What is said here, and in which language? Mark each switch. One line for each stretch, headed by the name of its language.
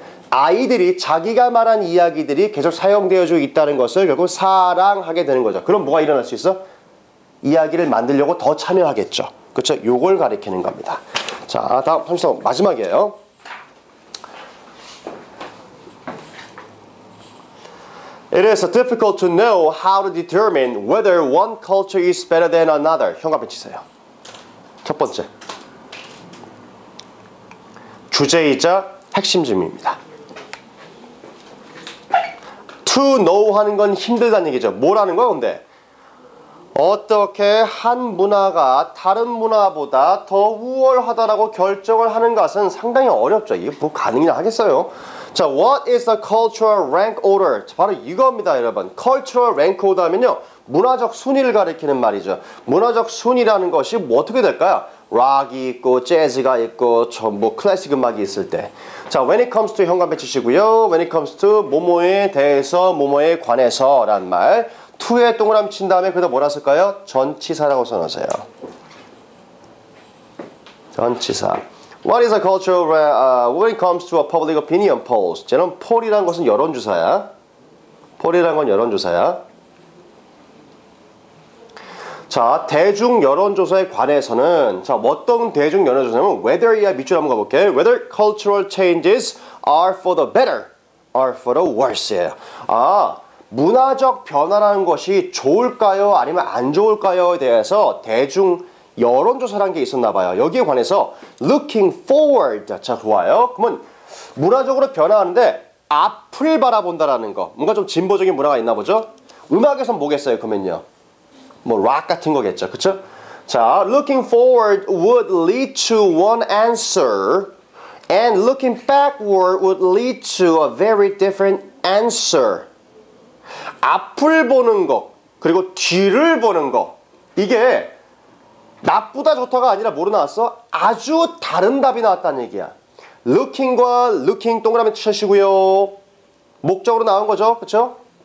Korean: 아이들이 자기가 말한 이야기들이 계속 사용되어져 있다는 것을 결국 사랑하게 되는 거죠. 그럼 뭐가 일어날 수 있어? 이야기를 만들려고 더 참여하겠죠. 그렇죠? 이걸 가리키는 겁니다. 자, 다음 33번 마지막이에요.
English: It is difficult to know how to determine whether one culture is better than another.
Korean: 형광펜 치세요. 첫 번째, 주제이자 핵심 질문입니다.
English: To know
Korean: 하는 건 힘들다는 얘기죠. 뭐라는 거야, 근데? 어떻게 한 문화가 다른 문화보다 더 우월하다라고 결정을 하는 것은 상당히 어렵죠. 이게 뭐 가능이나 하겠어요?
English: 자, What is the cultural rank order?
Korean: 바로 이겁니다, 여러분.
English: Cultural rank order 하면요.
Korean: 문화적 순위를 가리키는 말이죠. 문화적 순위라는 것이 뭐 어떻게 될까요? 락이 있고 재즈가 있고 전부 클래식 음악이 있을 때. 자,
English: when it comes to
Korean: 현관배 치시고요. when it comes to 뭐뭐에 대해서 뭐뭐에 관해서란 말. to에 동그라미 친 다음에 그다음 뭐라 쓸까요? 전치사라고 써놓으세요. 전치사.
English: What is a cultural when it comes to a public opinion polls?
Korean: 저는 poll이란 것은 여론조사야. poll이란 건 여론조사야. 자, 대중 여론조사에 관해서는 자, 어떤 대중 여론조사냐면 whether이야 밑줄 한번 가볼게.
English: whether cultural changes are for the better or for the worse
Korean: 예요. 아, 문화적 변화라는 것이 좋을까요 아니면 안 좋을까요에 대해서 대중 여론조사라는 게 있었나 봐요. 여기에 관해서
English: looking forward.
Korean: 자, 좋아요. 그러면 문화적으로 변화하는데 앞을 바라본다라는 거. 뭔가 좀 진보적인 문화가 있나 보죠? 음악에선 뭐겠어요, 그러면요? 뭐 락 같은 거겠죠. 그쵸? 자,
English: looking forward would lead to one answer and looking backward would lead to a very different answer.
Korean: 앞을 보는 거 그리고 뒤를 보는 거 이게 나쁘다 좋다가 아니라 뭐로 나왔어? 아주 다른 답이 나왔다는 얘기야. looking과 looking 동그라미 치시고요. 목적으로 나온 거죠. 그쵸?